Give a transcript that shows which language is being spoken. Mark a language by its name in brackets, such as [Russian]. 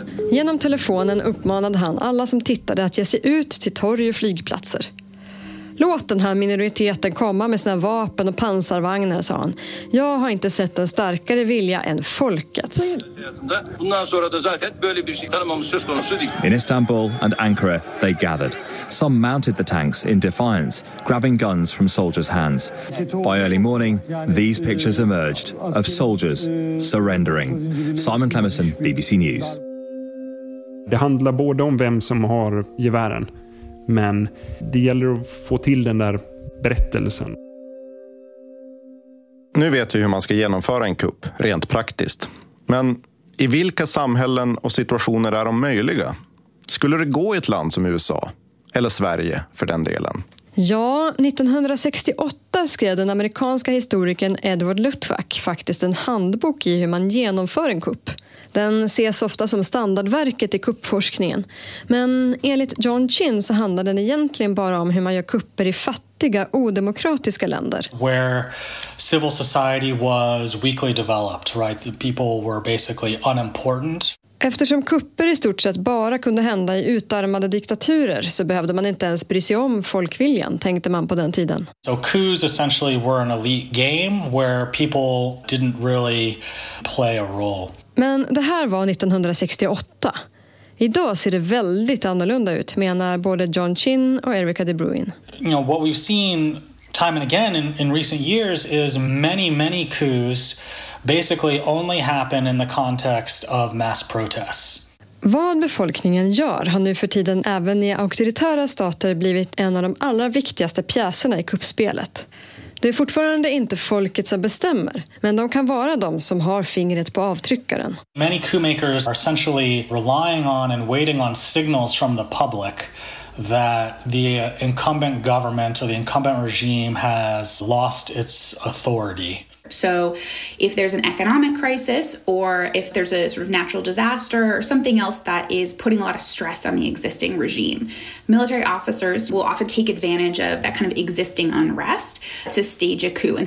[Swedish] Genom telefonen uppmanade han alla som tittade att ge sig ut till torg och flygplatser. Låt den här minoriteten komma med sina vapen och pansarvagnar, sa han. Jag har inte sett en starkare vilja än folkets. [English] In Istanbul and Ankara they gathered. Some mounted the tanks in defiance, grabbing guns from soldiers' hands. By early morning, these pictures emerged of soldiers surrendering. Simon Clemerson, BBC News. [Swedish] Det handlar både om vem som har gevären. Men det gäller att få till den där berättelsen. Nu vet vi hur man ska genomföra en kupp, rent praktiskt. Men i vilka samhällen och situationer är de möjliga? Skulle det gå i ett land som USA? Eller Sverige, för den delen? Ja, 1968 skrev den amerikanska historikern Edward Luttwak faktiskt en handbok i hur man genomför en kupp. Den ses ofta som standardverket i kuppforskningen. Men enligt John Chin så handlar den egentligen bara om hur man gör kupper i fattiga, odemokratiska länder. [English] Where civil society was weakly developed, right? The people were basically unimportant. [Swedish] Eftersom kupper i stort sett bara kunde hända i utarmade diktaturer så behövde man inte ens bry sig om folkviljan, tänkte man på den tiden. [English] So coups essentially were an elite game where people didn't really play a role. [Swedish] Men det här var 1968. Idag ser det väldigt annorlunda ut, menar både John Chin och Erica de Bruin. [English] You know, what we've seen time and again in recent years is many coups basically only happen in the context of mass protests. [Swedish] Vad befolkningen gör har nu för tiden även i auktoritära stater blivit en av de allra viktigaste pjäserna i kuppspelet. Det är fortfarande inte folket som bestämmer, men de kan vara de som har fingret på avtryckaren. [English] Many coup makers are essentially relying on and waiting on signals from the public that the incumbent government or the incumbent regime has lost its authority. So if there's an economic crisis or if there's a sort of natural disaster or something else that is putting a lot of stress on the existing regime, military officers will often take advantage of that kind of existing unrest to stage a coup.